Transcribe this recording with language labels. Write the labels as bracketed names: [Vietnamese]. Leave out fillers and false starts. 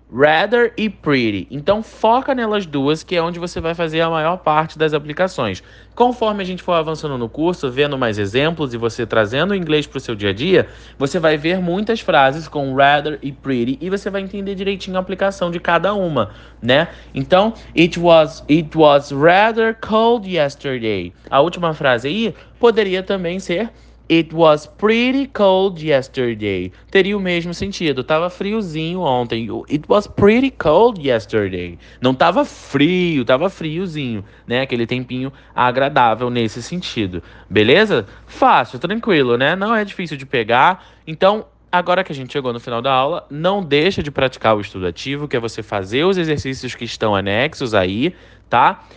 [Portuguese] Rather e pretty. Então foca nelas duas, que é onde você vai fazer a maior parte das aplicações. Conforme a gente for avançando no curso, vendo mais exemplos e você trazendo o inglês para o seu dia a dia, você vai ver muitas frases com rather e pretty e você vai entender direitinho a aplicação de cada uma, né? [English] Então, it was rather cold yesterday. [Portuguese] A última frase aí poderia também ser It was pretty cold yesterday. Teria o mesmo sentido. Tava friozinho ontem. It was pretty cold yesterday. Não tava frio, tava friozinho, né? Aquele tempinho agradável nesse sentido. Beleza? Fácil, tranquilo, né? Não é difícil de pegar. Então, agora que a gente chegou no final da aula, não deixa de praticar o estudo ativo, que é você fazer os exercícios que estão anexos aí, tá?